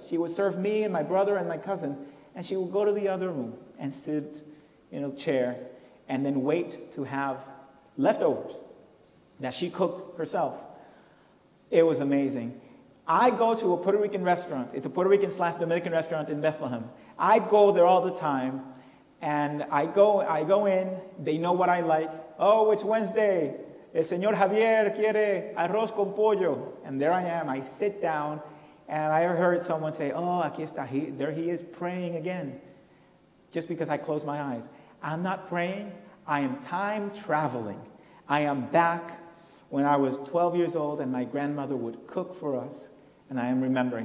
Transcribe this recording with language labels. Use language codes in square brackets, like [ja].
[en] She would serve me and my brother and my cousin, and she would go to the other room and sit in a chair and then wait to have leftovers that she cooked herself. It was amazing. I go to a Puerto Rican restaurant. It's a Puerto Rican / Dominican restaurant in Bethlehem. I go there all the time, and I go in. They know what I like. Oh, it's Wednesday. [es] El señor Javier quiere arroz con pollo. [en] And there I am. I sit down, and I heard someone say, [es] oh, aquí está. [en] There he is praying again, just because I close my eyes. I'm not praying. I am time traveling. I am back when I was 12 years old, and my grandmother would cook for us, and I am remembering.